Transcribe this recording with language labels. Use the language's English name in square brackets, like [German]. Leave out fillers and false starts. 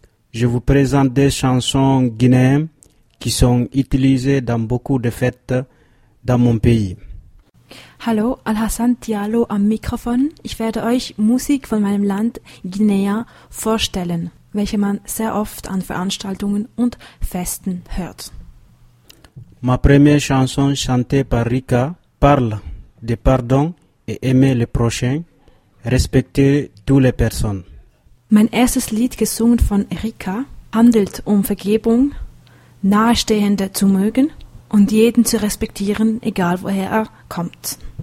[French] Je vous présente des chansons guinéennes qui sont utilisées dans beaucoup de fêtes dans mon pays. [German] Hallo, Al-Hassan Diallo am Mikrofon. Ich werde euch Musik von meinem Land Guinea vorstellen, welche man sehr oft an Veranstaltungen und Festen hört. [French] Ma première chanson chantée par Rika parle de pardon et aimer le prochain, respecter toutes les personnes. [German] Mein erstes Lied, gesungen von Erika, handelt um Vergebung, Nahestehende zu mögen und jeden zu respektieren, egal woher er kommt.